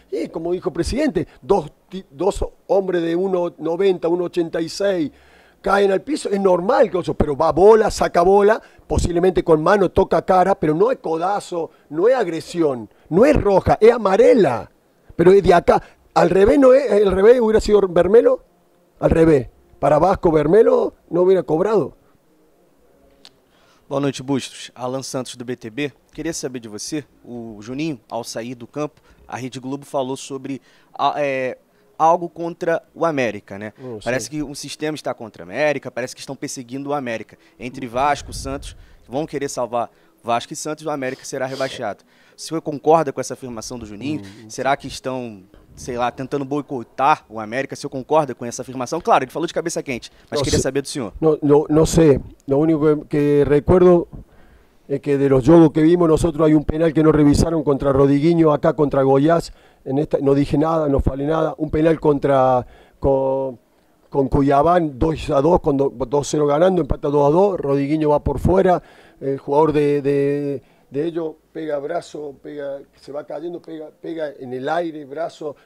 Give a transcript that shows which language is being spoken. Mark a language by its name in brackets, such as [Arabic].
[Spanish] Y como dijo el presidente, dos hombres de 1.90, 1.86, caen al piso, es normal, pero va bola, saca bola, posiblemente con mano toca cara, pero no es codazo, no es agresión, no es roja, es amarela, pero es de acá. Al revés no es, al revés hubiera sido vermelho, al revés. Para Vasco, vermelho no hubiera cobrado. [Portuguese] Boa noite, Bustos. Alan Santos, do BTB. Queria saber de você, o Juninho, ao sair do campo, a Rede Globo falou sobre... algo contra o América, né? Parece que um sistema está contra o América, parece que estão perseguindo o América. Entre Vasco, Santos, vão querer salvar Vasco e Santos, o América será rebaixado. O senhor concorda com essa afirmação do Juninho? Será que estão, sei lá, tentando boicotar o América? O senhor concorda com essa afirmação? Claro, ele falou de cabeça quente, mas queria saber do senhor. Não sei. O único que recuerdo é que de los jogos que vimos, nós há um penal que não revisaram contra Rodiguinho, acá contra Goiás. [Spanish] En esta, no dije nada, no falé nada. Un penal contra con Cuiabá, 2-2, con 2-0 ganando, empata 2-2. Rodiguinho va por fuera. El jugador de ellos pega brazo, pega, se va cayendo, pega en el aire, brazo.